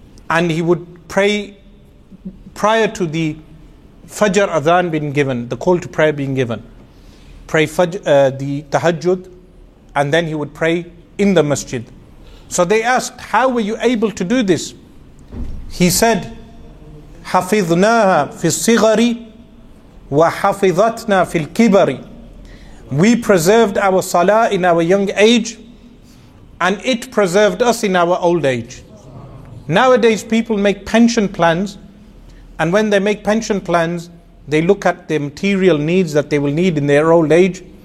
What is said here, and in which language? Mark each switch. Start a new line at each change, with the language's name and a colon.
English: And he would pray prior to the Fajr Adhan being given, the call to prayer being given. Pray the Tahajjud, and then he would pray in the Masjid. So they asked, how were you able to do this? He said,
Arabic: حَفِظْنَاهَا فِي الصِّغَرِ وَحَفِظَتْنَا فِي الْكِبَرِ.
English: We preserved our salah in our young age, and it preserved us in our old age. Nowadays, people make pension plans, and when they make pension plans, they look at the material needs that they will need in their old age.